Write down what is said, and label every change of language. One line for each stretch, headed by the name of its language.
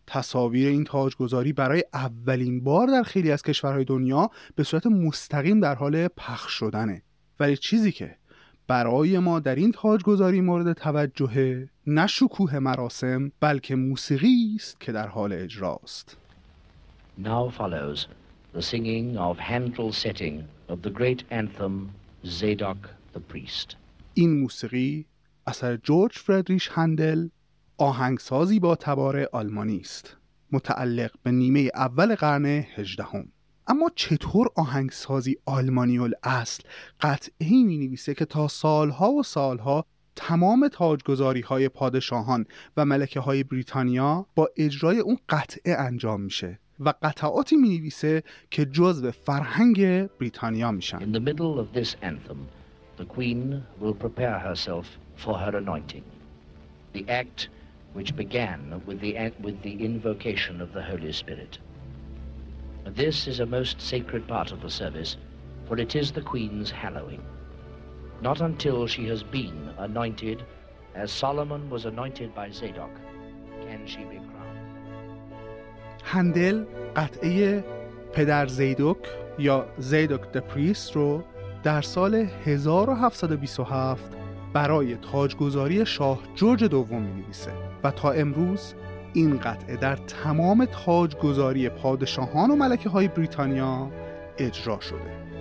Persian: تصاویر این تاجگذاری برای اولین بار در خیلی از کشورهای دنیا به صورت مستقیم در حال پخش شدنه. ولی چیزی که برای ما در این تاجگذاری مورد توجهه، نه شکوه مراسم بلکه موسیقی است که در حال اجراست.
English: Now follows the singing of Handel's setting of the great anthem Zadok the Priest.
Persian: این موسیقی اثر جورج فردریش هندل، آهنگسازی با تبار آلمانی است، متعلق به نیمه اول قرن 18. اما چطور آهنگسازی آلمانی الاصل قطعه‌ای می‌نویسه که تا سالها و سالها تمام تاجگذاری‌های پادشاهان و ملکه‌های بریتانیا با اجرای اون قطعه انجام میشه و قطعاتی می‌نویسه که جزء فرهنگ بریتانیا میشن؟
English: In the middle of this anthem, the queen will prepare herself for her anointing. The act which began with the invocation of the Holy Spirit. This is a most sacred part of the service, for it is the queen's hallowing. Not until she has been anointed, as Solomon was anointed by Zadok, can she be crowned.
Persian: هندل قطعه پدر زیدوک یا زیدوک ده پریست رو در سال 1727 برای تاجگذاری شاه جورج دوم می‌نویسه و تا امروز این قطعه در تمام تاجگذاری پادشاهان و ملکه‌های بریتانیا اجرا شده.